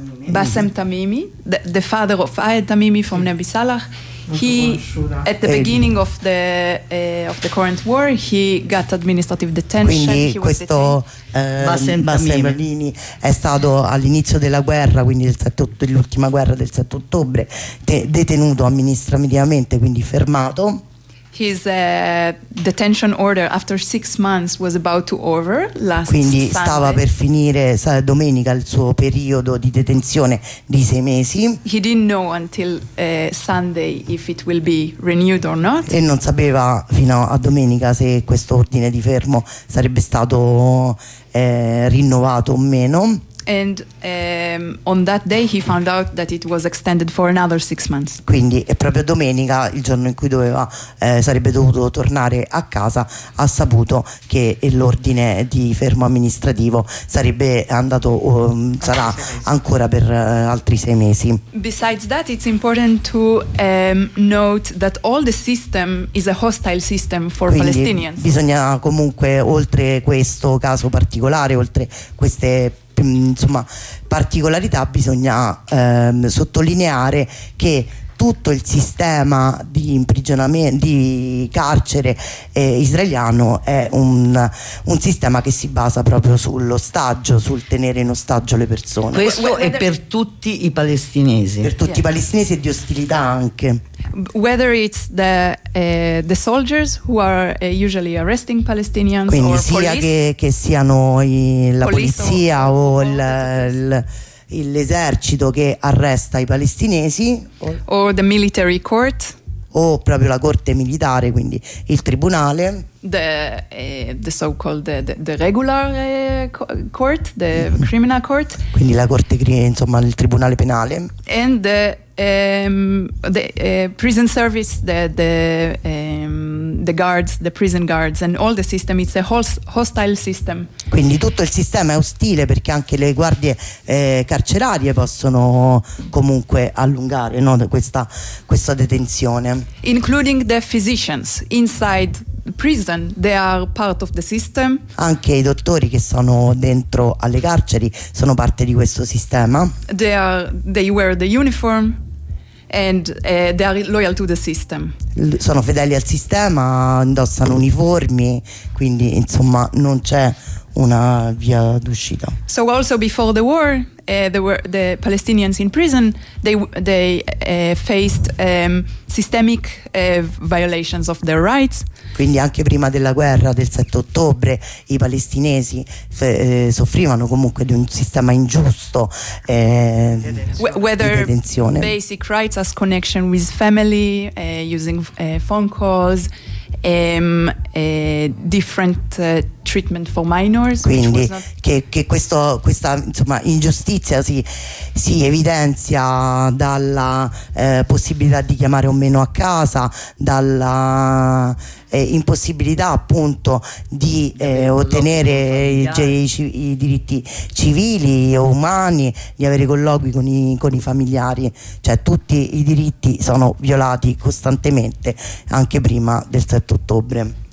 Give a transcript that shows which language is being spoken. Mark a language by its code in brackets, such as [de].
[en] Bassem Tamimi, the father of Ayed Tamimi from Nebi Salah, he at the beginning of the current war, he got administrative detention. [it] Quindi questo Bassem Tamimi è stato all'inizio della guerra, quindi dell'ultima guerra del 7 ottobre, detenuto amministrativamente, quindi fermato. [en] His detention order after 6 months was about to over last. [it] Quindi [en] Sunday. [it] Stava per finire domenica il suo periodo di detenzione di 6 mesi. [en] He didn't know until Sunday if it will be renewed or not. [it] E non sapeva fino a domenica se questo ordine di fermo sarebbe stato rinnovato o meno. [en] And on that day he found out that it was extended for another 6 months. [it] Quindi è proprio domenica, il giorno in cui doveva sarebbe dovuto tornare a casa, ha saputo che l'ordine di fermo amministrativo sarebbe andato sarà ancora per altri 6 mesi. [en] Besides that, it's important to note that all the system is a hostile system for [it] quindi [en] Palestinians. [it] Bisogna comunque, oltre questo caso particolare, oltre queste insomma particolarità, bisogna sottolineare che tutto il sistema di imprigionamento, di carcere israeliano è un sistema che si basa proprio sull'ostaggio, sul tenere in ostaggio le persone. Questo è per tutti i palestinesi. Per tutti i palestinesi, e di ostilità anche. [en] Whether it's the soldiers who are usually arresting Palestinians. [it] Quindi [en] or [it] sia [en] police, [it] che siano la polizia l'esercito che arresta i palestinesi, o [en] the military court, [it] o proprio la corte militare, quindi il tribunale, [en] the so-called the regular court, the criminal court, [it] quindi la corte, insomma il tribunale penale, [en] and the prison service, the guards, the prison guards, and all the system, it's a hostile system. [it] Quindi tutto il sistema è ostile, perché anche le guardie carcerarie possono comunque allungare, no, questa detenzione. [en] Including the physicians inside prison, they are part of the system. [it] Anche i dottori che sono dentro alle carceri sono parte di questo sistema. [en] They wear the uniform and they are loyal to the system. [it] Sono fedeli al sistema, indossano uniformi, quindi insomma non c'è una via d'uscita. [en] So also before the war, there were the Palestinians in prison. They faced systemic violations of their rights. [it] Quindi anche prima della guerra del 7 ottobre i palestinesi soffrivano comunque di un sistema ingiusto di detenzione. [en] Whether basic rights as connection with family, using phone calls. Different treatment for minors. [it] Quindi questa insomma ingiustizia si evidenzia dalla possibilità di chiamare o meno a casa, dalla impossibilità appunto di ottenere i diritti civili o umani, di avere colloqui con i familiari, cioè tutti i diritti sono violati costantemente anche prima del 7 ottobre.